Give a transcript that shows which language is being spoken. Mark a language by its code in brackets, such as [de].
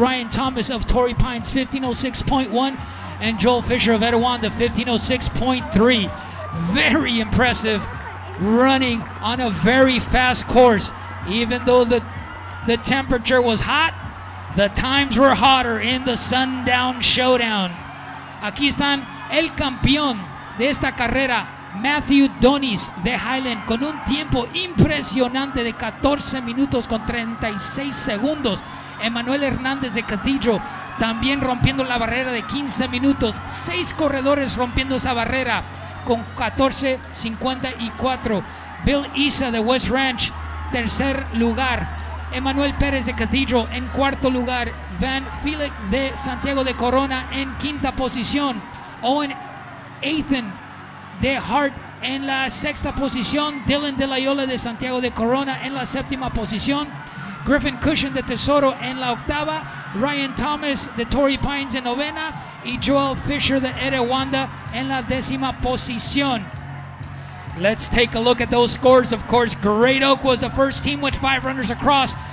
[en] Ryan Thomas of Torrey Pines, 15:06.1. And Joel Fisher of Etiwanda, 15:06.3. Very impressive running on a very fast course. Even though the temperature was hot, the times were hotter in the Sundown Showdown. [es] Aquí están el campeón de esta carrera, Matthew Donis de Highland, con un tiempo impresionante de 14 minutos con 36 segundos. Emmanuel Hernandez de Cathedral también rompiendo la barrera de 15 minutos. Seis corredores rompiendo esa barrera con 14:54. Bille Issa de West Ranch, tercer lugar. Emmanuel Perez de Cathedral en cuarto lugar. Van Filek de Santiago de Corona en quinta posición. Owen Athan de Hart en la sexta posición. Dylan De Loyola de Santiago de Corona en la séptima posición. Griffin Cushion de Tesoro en la octava. Ryan Thomas de Torrey Pines en novena. Y Joel Fisher de Etiwanda en la décima posición. [en] Let's take a look at those scores. Of course, Great Oak was the first team with five runners across.